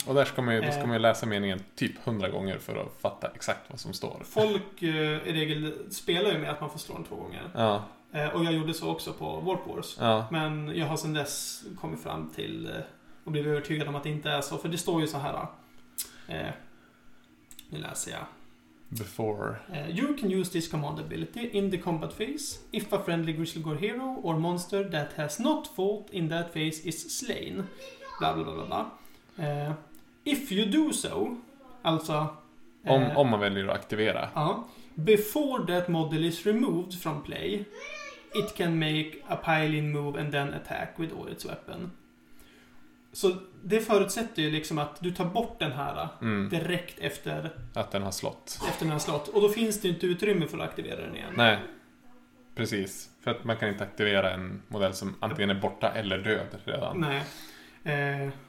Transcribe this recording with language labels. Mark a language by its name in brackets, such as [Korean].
[Swedish] Och där ska man ju, då ska man ju läsa meningen typ 100 gånger för att fatta exakt vad som står. Folk i regel spelar ju med att man får slå den två gånger. Ja. Och jag gjorde så också på Warp Wars. Ja. Men jag har sedan dess kommit fram till och blivit övertygad om att det inte är så. För det står ju så här. Nu läser jag. [English] before. You can use this command ability in the combat phase if a friendly Grizzlegore hero or monster that has not fought in that phase is slain. Blah, blah, blah, blah, blah. If you do so, alltså... [Swedish] Om man väljer att aktivera. Ja. [English] Before that model is removed from play, it can make a pile-in move and then attack with all its weapon. [Swedish] Så det förutsätter ju liksom att du tar bort den här direkt efter... Att den har slått. Efter den har slått. Och då finns det inte utrymme för att aktivera den igen. Nej, precis. För att man kan inte aktivera en modell som antingen är borta eller död redan. Nej.